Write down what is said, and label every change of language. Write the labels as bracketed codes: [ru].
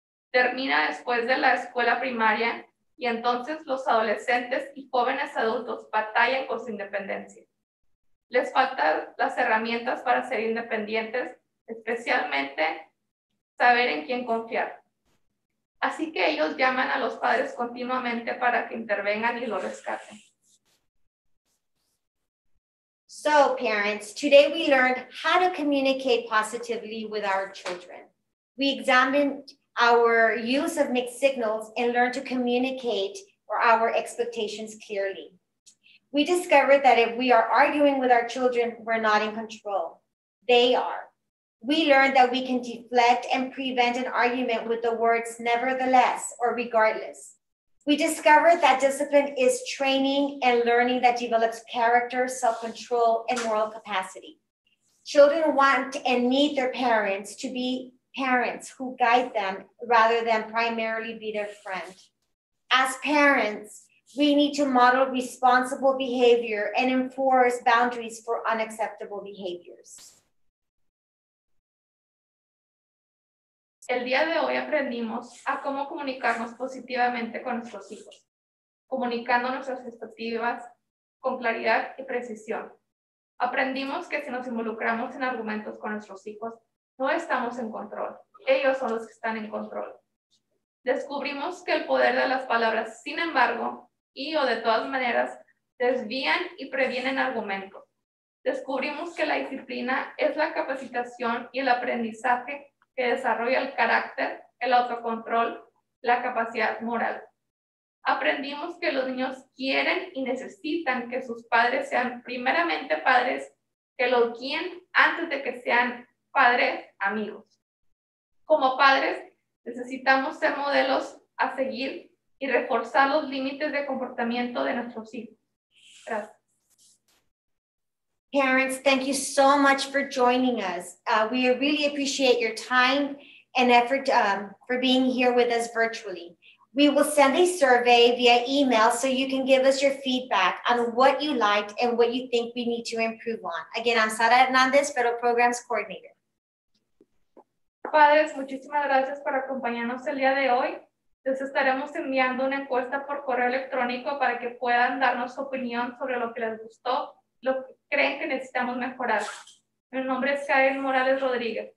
[es] Termina después de la escuela primaria y entonces los adolescentes y jóvenes adultos batallan con su independencia. Les faltan las herramientas para ser independientes, especialmente saber en quién confiar. Así que ellos llaman a los padres continuamente para que intervengan y lo rescaten. [en] So, parents, today we learned how to communicate positively with our children. We examined our use of mixed signals and learned to communicate our expectations clearly. We discovered that if we are arguing with our children, we're not in control. They are. We learned that we can deflect and prevent an argument with the words nevertheless or regardless. We discovered that discipline is training and learning that develops character, self-control, and moral capacity. Children want and need their parents to be parents who guide them rather than primarily be their friend. As parents, we need to model responsible behavior and enforce boundaries for unacceptable behaviors. [es] El día de hoy aprendimos a cómo comunicarnos positivamente con nuestros hijos, comunicando nuestras expectativas con claridad y precisión. Aprendimos que si nos involucramos en argumentos con nuestros hijos, no estamos en control. Ellos son los que están en control. Descubrimos que el poder de las palabras, sin embargo, y o de todas maneras, desvían y previenen argumentos. Descubrimos que la disciplina es la capacitación y el aprendizaje que desarrolla el carácter, el autocontrol, la capacidad moral. Aprendimos que los niños quieren y necesitan que sus padres sean primeramente padres, que los guíen antes de que sean padres amigos. Como padres, necesitamos ser modelos a seguir y reforzar los límites de comportamiento de nuestros hijos. Gracias. [en] Parents, thank you so much for joining us. We really appreciate your time and effort for being here with us virtually. We will send a survey via email so you can give us your feedback on what you liked and what you think we need to improve on. Again, I'm Sara Hernandez, Federal Programs Coordinator. [es] Padres, muchísimas gracias por acompañarnos el día de hoy. Les estaremos enviando una encuesta por correo electrónico para que puedan darnos su opinión sobre lo que les gustó, lo que creen que necesitamos mejorar. Mi nombre es Karen Morales Rodríguez.